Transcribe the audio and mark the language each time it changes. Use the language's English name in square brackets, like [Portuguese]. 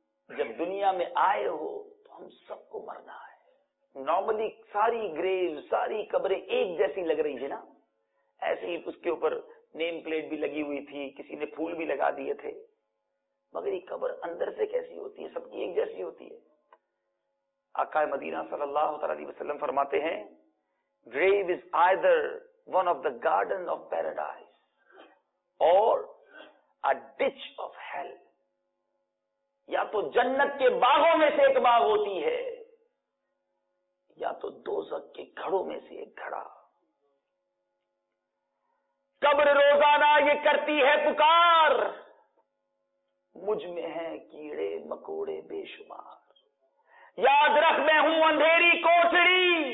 [Urdu] جب دنیا میں آئے ہو تو ہم سب کو مرنا ہے. نارملی ساری گریو ساری قبریں ایک جیسی لگ رہی ہیں نا, ایسے ہی اس کے اوپر نیم پلیٹ بھی لگی ہوئی تھی, کسی نے پھول بھی لگا دیے تھے, مگر یہ قبر اندر سے کیسی ہوتی ہے؟ سب کی ایک جیسی ہوتی ہے. آقا مدینہ صلی اللہ علیہ وسلم فرماتے ہیں, [English] grave is either one of the garden of paradise or a ditch of hell. [Urdu] یا تو جنت کے باغوں میں سے ایک باغ ہوتی ہے یا تو دوزخ کے گھڑوں میں سے ایک گھڑا. قبر روزانہ یہ کرتی ہے پکار, مجھ میں ہیں کیڑے مکوڑے بے شمار, یاد رکھ میں ہوں اندھیری کوٹھڑی,